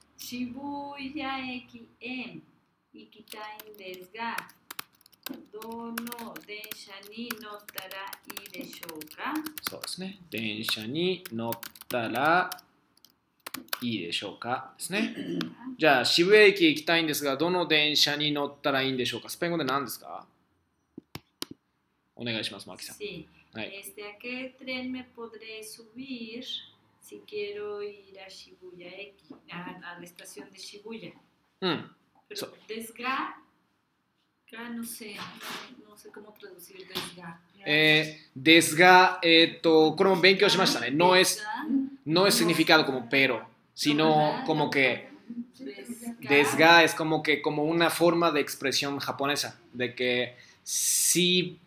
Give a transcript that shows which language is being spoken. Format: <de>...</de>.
<ja>渋谷駅へ行きたいんですが、どの電車に乗ったらいいでしょうか？そうですね。電車に乗ったらいいでしょうかですね。じゃあ、渋谷駅行きたいんですが、どの電車に乗ったらいいんでしょうか？スペイン語で何ですか？お願いします、マキさん。</ja> <es>Sí. はい。 Este, ¿a qué tren me podré subir? Si quiero ir a Shibuya, a la estación de Shibuya. Pero desga, no sé, no sé cómo traducir desga.</es> <ja>Desga, これも勉強しましたね。</ja> <es>No es, no es significado como pero, sino como que desga es como que como una forma de expresión japonesa de que si,</es>